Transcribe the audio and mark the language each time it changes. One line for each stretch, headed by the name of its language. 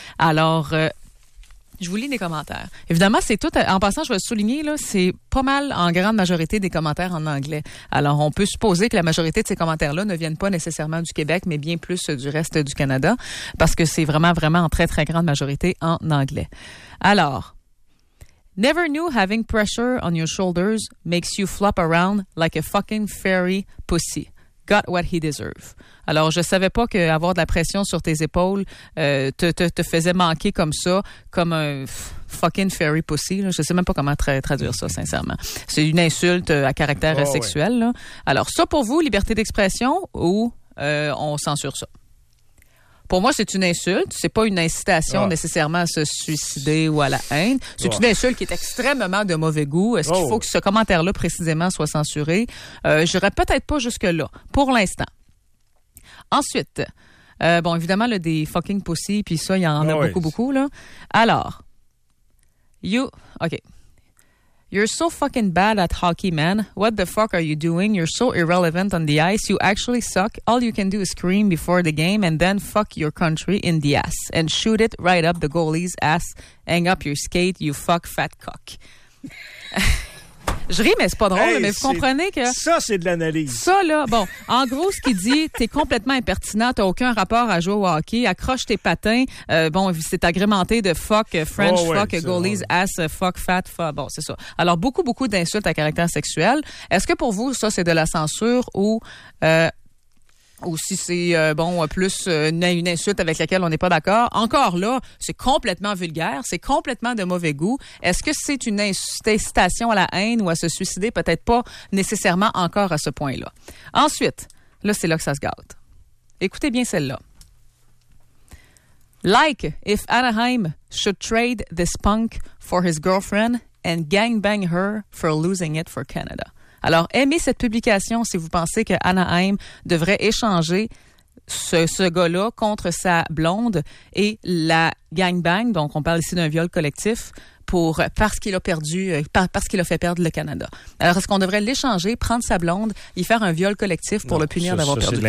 French: Alors, je vous lis des commentaires. Évidemment, c'est tout. En passant, je vais souligner, là, c'est pas mal en grande majorité des commentaires en anglais. Alors, on peut supposer que la majorité de ces commentaires-là ne viennent pas nécessairement du Québec, mais bien plus du reste du Canada, parce que c'est vraiment, vraiment en très, très grande majorité en anglais.
English: Alors, never knew having pressure on your shoulders makes you flop around like a fucking fairy pussy. Got what he deserved.
French: Alors, je savais pas qu'avoir de la pression sur tes épaules te faisait manquer comme ça, comme un fucking fairy pussy. Là. Je sais même pas comment traduire ça, sincèrement. C'est une insulte à caractère sexuel. Ouais. Là. Alors, ça pour vous, liberté d'expression ou on censure ça? Pour moi, c'est une insulte. C'est pas une incitation nécessairement à se suicider ou à la haine. C'est une insulte qui est extrêmement de mauvais goût. Est-ce qu'il faut que ce commentaire-là précisément soit censuré? J'irais peut-être pas jusque-là, pour l'instant. Ensuite, bon, évidemment, là, des fucking pussy, puis ça, il y en a beaucoup, beaucoup, là. Alors,
English: You're so fucking bad at hockey, man. What the fuck are you doing? You're so irrelevant on the ice. You actually suck. All you can do is scream before the game and then fuck your country in the ass and shoot it right up the goalie's ass. Hang up your skate, you fuck fat cock.
French: Je ris, mais c'est pas drôle, hey, mais vous comprenez que... Ça, c'est de l'analyse. Ça, là, bon, en gros, ce qu'il dit, t'es complètement impertinent, t'as aucun rapport à jouer au hockey, accroche tes patins, bon, c'est agrémenté de fuck French, oh, fuck ouais, goalies, ça, ouais. Ass, fuck fat, fuck, bon, c'est ça. Alors, beaucoup, beaucoup d'insultes à caractère sexuel. Est-ce que pour vous, ça, c'est de la censure ou si c'est, bon, plus une insulte avec laquelle on n'est pas d'accord. Encore là, c'est complètement vulgaire, c'est complètement de mauvais goût. Est-ce que c'est une incitation à la haine ou à se suicider? Peut-être pas nécessairement encore à ce point-là. Ensuite, là, c'est là que ça se gâte. Écoutez bien celle-là.
English: Like if Anaheim should trade this punk for his girlfriend and gangbang her for losing it for Canada.
French: Alors, aimez cette publication si vous pensez que Anaheim devrait échanger ce gars-là contre sa blonde et la gangbang, donc on parle ici d'un viol collectif, parce qu'il a fait perdre le Canada. Alors, est-ce qu'on devrait l'échanger, prendre sa blonde, y faire un viol collectif pour le punir d'avoir perdu?